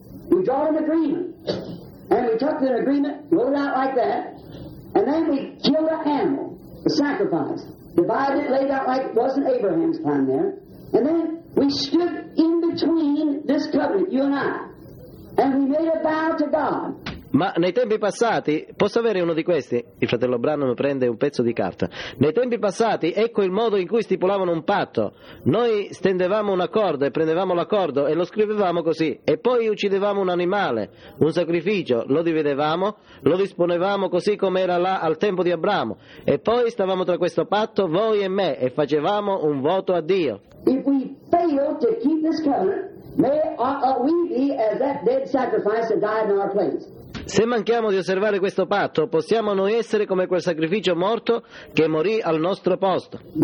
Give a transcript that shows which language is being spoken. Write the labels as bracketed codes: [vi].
[en] We draw an agreement, and we took the agreement, rolled out like that, and then we killed an animal, the sacrifice. Divided it, laid out like it wasn't Abraham's time there. And then we stood in between this covenant, you and I. And we made a vow to God. [it] Ma nei tempi passati, posso avere uno di questi? Il fratello Branham prende un pezzo di carta. Nei tempi passati, ecco il modo in cui stipulavano un patto. Noi stendevamo un accordo e prendevamo l'accordo e lo scrivevamo così. E poi uccidevamo un animale, un sacrificio, lo dividevamo, lo disponevamo così come era là al tempo di Abramo. E poi stavamo tra questo patto, voi e me, e facevamo un voto a Dio. [en] If we fail to keep this covenant, may we be as that dead sacrifice that died in our place. [it] Se manchiamo di osservare questo patto, possiamo noi essere come quel sacrificio morto che morì al nostro posto.